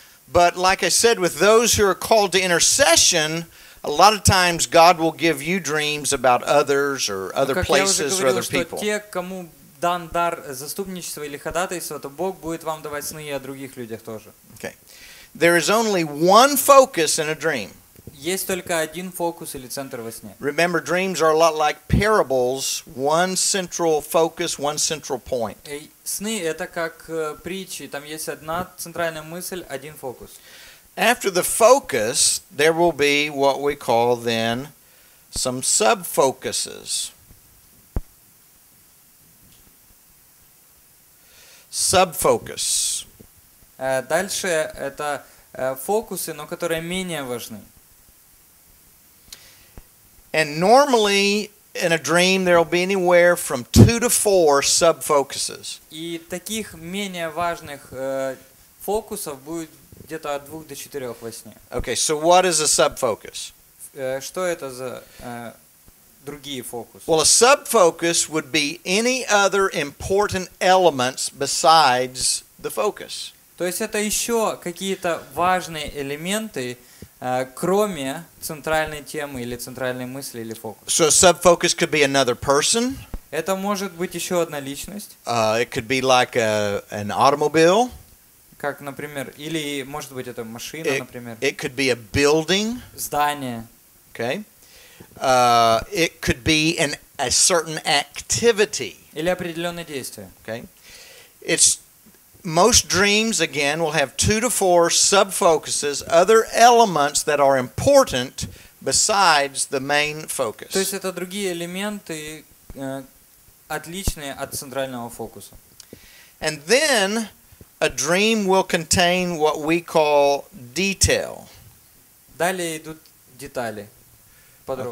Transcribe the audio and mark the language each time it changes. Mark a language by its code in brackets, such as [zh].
[en] But like I said, with those who are called to intercession, a lot of times God will give you dreams about others or other places or other people. [ru] Те, кому дан дар заступничества или ходатайства, то Бог будет вам давать сны и о других людях тоже. [en] Okay. There is only one focus in a dream. [ru] Есть только один фокус или центр во сне. [en] Remember, dreams are a lot like parables. One central focus, one central point. [ru] Сны — это как притчи. Там есть одна центральная мысль, один фокус. [en] After the focus, there will be what we call then some sub-focuses. Sub-focus. [ru] Дальше это фокусы, но которые менее важны. [en] And normally in a dream there will be anywhere from 2 to 4 sub-focuses. [ru] И таких менее важных фокусов будет где-то от 2 до 4 во сне. [en] Okay, so what is a sub-focus? [ru] Что это за другие фокусы? [en] Well, a sub-focus would be any other important elements besides the focus. [ru] То есть это еще какие-то важные элементы, кроме центральной темы или центральной мысли или фокуса. [en] So a sub-focus could be another person. [ru] Это может быть еще одна личность. [en] It could be like an automobile. [ru] Как, например, или может быть это машина, например. [en] It could be a building. [ru] Здание. [en] Okay. It could be a certain activity. [ru] Или определенное действие. [en] Okay. Most dreams, again, will have 2 to 4 sub-focuses, other elements that are important besides the main focus. [ru] То есть это другие элементы, отличные от центрального фокуса. [en] And then a dream will contain what we call detail. [ru] Далее идут детали, подробности.